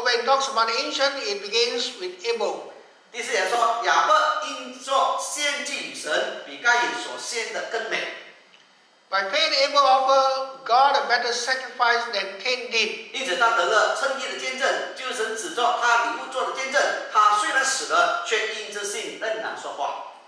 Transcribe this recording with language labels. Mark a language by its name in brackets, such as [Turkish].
[English] when it talks about the ancient, it begins with Abel. [Chinese] 第四节说，亚伯因作献祭与神，比该隐所献的更美。By [English] faith, Abel offered God a better sacrifice than Cain did. [Chinese] 因此他得了称义的见证，就是神指着他礼物做的见证。他虽然死了，却因着信仍然说话。